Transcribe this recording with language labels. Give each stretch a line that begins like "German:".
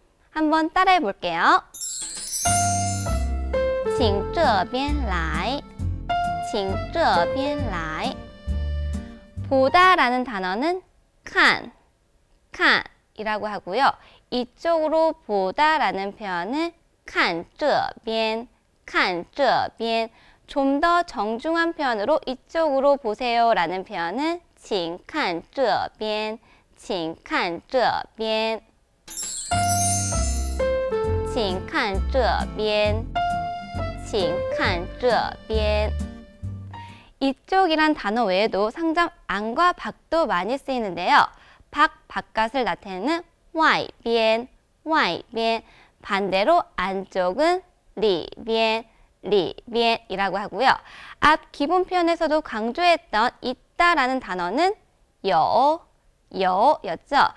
Korean: 한번 따라해 볼게요.
Chinese: 请这边来, 请这边来.
Korean: 보다라는 단어는 看, 看이라고 하고요. 이쪽으로 보다라는 표현은
Chinese: 看这边, 看这边.
Korean: 좀 더 정중한 표현으로 이쪽으로 보세요라는 표현은
Chinese: 请看这边, 请看这边, 请看这边, 请看这边.
Korean: 이쪽이란 단어 외에도 상점 안과 밖도 많이 쓰이는데요. 밖, 바깥을 나타내는 外边, 外边. 반대로 안쪽은 里边, 里边이라고 하고요. 앞 기본 표현에서도 강조했던 있다라는 단어는 有, 有였죠.